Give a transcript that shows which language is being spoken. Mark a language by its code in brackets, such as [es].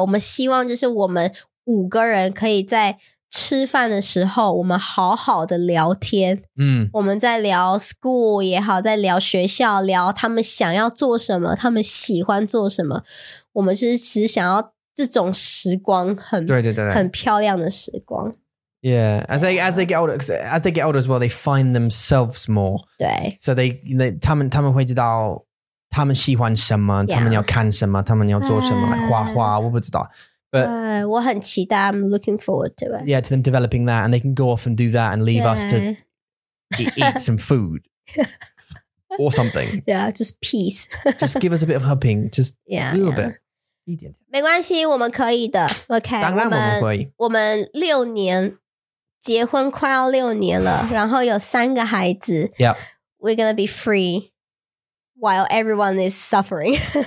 [zh] 我们希望就是我们五个人可以在吃饭的时候我们好好的聊天。我们在聊 school 也好，在聊学校，聊他们想要做什么，他们喜欢做什么。我们是只想要这种时光，很对对对对，很漂亮的时光。 [en] Yeah, as they get older, as they get older as well, they find themselves more. [zh] 对。 So they 他们会知道他们喜欢什么他们要看什么他们要做什么画画我不知道。 [en] But, [zh] 我很期待 [en] I'm looking forward to it. Yeah, to them developing that and they can go off and do that and leave us to eat some food or something. Yeah, just peace. Just give us a bit of helping, just a little bit. [zh] 没关系我们可以的 OK, 当然我们可以。我们六年结婚快要六年了然后有三个孩子 [en] Yep. We're gonna be free. While everyone is suffering.